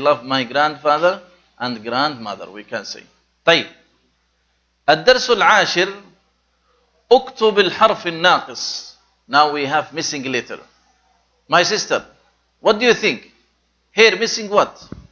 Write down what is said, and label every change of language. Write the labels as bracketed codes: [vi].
[en] I love my grandfather and grandmother we can say. [ar] طيب الدرس العاشر اكتب الحرف الناقص. [en] now we have missing letter. my sister what do you think here missing what.